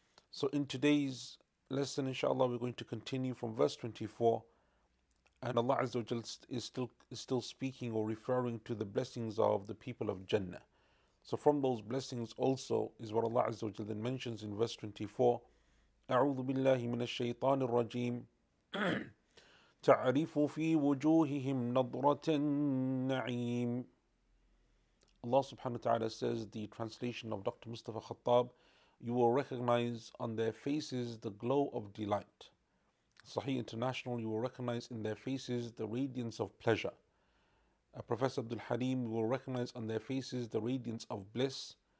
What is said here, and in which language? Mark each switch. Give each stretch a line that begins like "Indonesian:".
English: So in today's lesson, inshallah, we're going to continue from verse 24. And Allah Azza wa Jal is still speaking or referring to the blessings of the people of Jannah. So from those blessings also is what Allah Azza wa Jal then mentions in verse 24,
Arabic: أعوذ بالله من الشيطان الرجيم. تعرف في وجوههم نظرة النعيم.
English: Allah subhanahu wa ta'ala says, the translation of Dr. Mustafa Khattab, you will recognize on their faces the glow of delight. Sahih International, you will recognize in their faces the radiance of pleasure. Professor Abdul Halim, you will recognize on their faces the radiance of bliss.